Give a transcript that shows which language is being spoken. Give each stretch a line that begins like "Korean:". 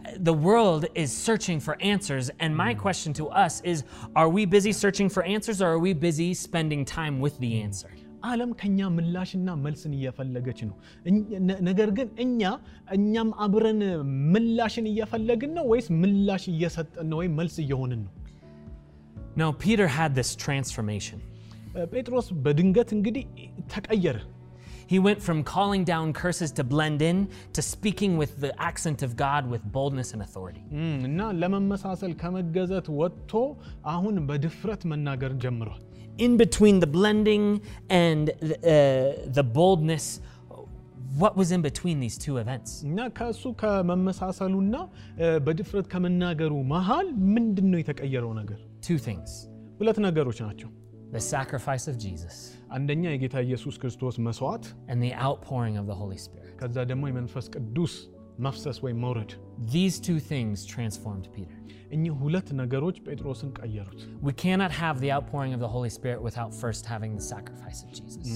English: The world is searching for answers, and my question to us is, are we busy searching for answers or are we busy spending time with the answer?
Amharic: ዓለም ከኛ ምላሽና መልስን እየፈለገች ነው ነገር ግን እኛም አብረን ምላሽን እየፈለግን ነው ወይስ ምላሽ እየሰጠን ነው ወይስ መልስ እየሆንን ነው?
English: Now Peter had this transformation.
Amharic: Petros በድንገት እንግዲህ ተቀየረ.
English: He went from calling down curses to blend in to speaking with the accent of God with boldness and authority.
Amharic: No, ለመመሳሰል ከመገዘት ወጥቶ አሁን በድፍረት መናገር ጀምሯል.
English: In between the blending and the boldness, what was in between these two events?
Amharic: ነካሱ ከመመሳሰሉና በድፍረት ከመናገሩ መሃል ምንድነው የተቀየረው ነገር?
English: Two things.
Amharic: ሁለት ነገሮች ናቸው.
English: The sacrifice of Jesus.
Amharic: አንደኛ የጌታ ኢየሱስ ክርስቶስ መስዋዕት.
English: And the outpouring of the Holy Spirit.
Amharic: ከዛ ደግሞ የመንፈስ ቅዱስ መፍሰስ ወይ መውረድ.
English: These two things transformed Peter.
Amharic: እኚህ ሁለት ነገሮች ጴጥሮስን ቀየሩት.
English: We cannot have the outpouring of the Holy Spirit without first having the sacrifice of Jesus.